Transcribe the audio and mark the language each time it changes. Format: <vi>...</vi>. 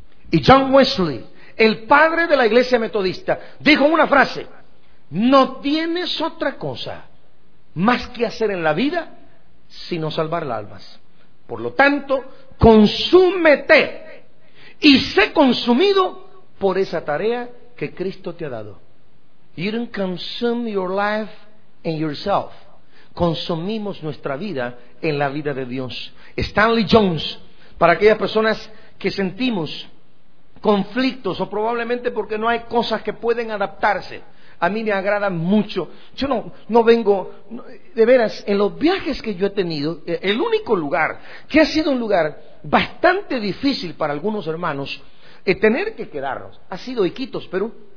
<es>Y John Wesley, el padre de la iglesia metodista, dijo una frase: no tienes otra cosa más que hacer en la vida sino salvar las almas. Por lo tanto, consúmete y sé consumido por esa tarea que Cristo te ha dado.</es> <en>You don't consume your life in yourself.</en> <es>Consumimos nuestra vida en la vida de Dios. Stanley Jones, para aquellas personas que sentimos conflictos o probablemente porque no hay cosas que pueden adaptarse, a mí me agrada mucho. Yo no vengo, no, de veras, en los viajes que yo he tenido, el único lugar que ha sido un lugar bastante difícil para algunos hermanos, tener que quedarnos, ha sido Iquitos, Perú.</es>